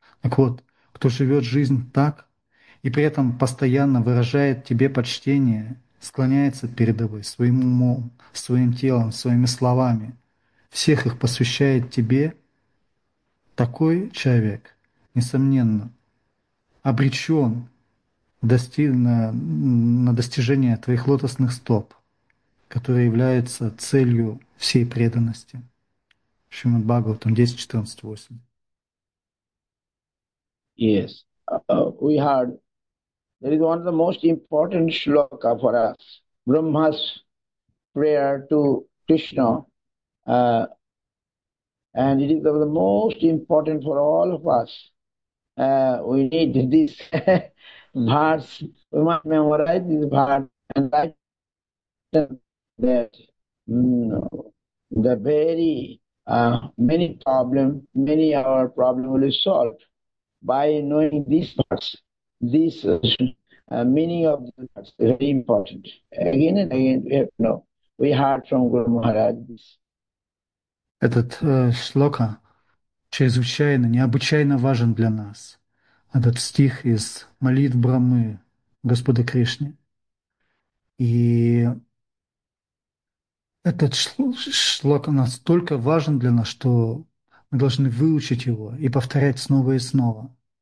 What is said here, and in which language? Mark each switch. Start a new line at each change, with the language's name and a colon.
Russian: Так вот, кто живет жизнь так и при этом постоянно выражает тебе почтение, склоняется перед тобой своим умом, своим телом, своими словами, всех их посвящает тебе, такой человек, несомненно, обречен на достижение твоих лотосных стоп, которые являются целью всей преданности. Шримад Бхагаватам 10.14.8.
English: Yes, we heard there is one of the most important shloka for us, Brahma's prayer to Krishna. And it is the most important for all of us. We need this verse. We must memorize this verse and write that the very many problems, many our problems will be solved by knowing this verse. This meaning of this verse is very important. Again and again, we have to know. We heard from Guru Maharaj this.
Russian: Этот шлока чрезвычайно, необычайно важен для нас. Этот стих из молитв Брахмы Господа Кришны. И этот шлока настолько важен для нас, что мы должны выучить его и повторять снова и снова.